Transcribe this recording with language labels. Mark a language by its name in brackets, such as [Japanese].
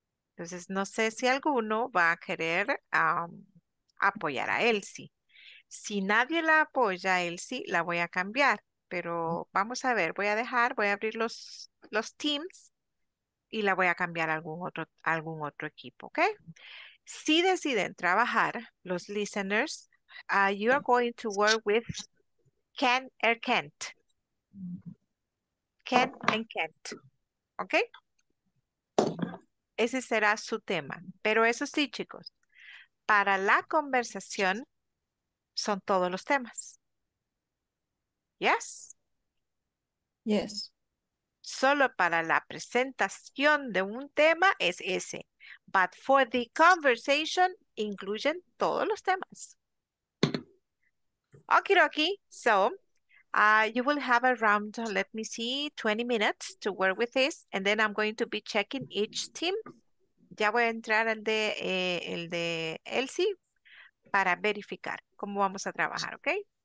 [Spanish] Entonces, no sé si alguno va a querer apoyar a Elsie. Si nadie la apoya, Elsie, la voy a cambiar. Pero vamos a ver, voy a abrir los Teams y la voy a cambiar a algún otro equipo, ¿ok? Si deciden trabajar, los [English] listeners, you are going to work with Ken or Kent. Ken and Kent, ¿ok? [Spanish] Ese será su tema. Pero eso sí, chicos, para la conversación son todos los temas. [English] ¿Yes? Yes. [Spanish] Solo para la presentación de un tema es ese. [English] But for the conversation, [Spanish] incluyen todos los temas. [English] Okie dokie. So, you will have around, let me see, 20 minutes to work with this. And then I'm going to be checking each team. [Spanish] Ya voy a entrar el de Elsie para verificar cómo vamos a trabajar, ¿ok?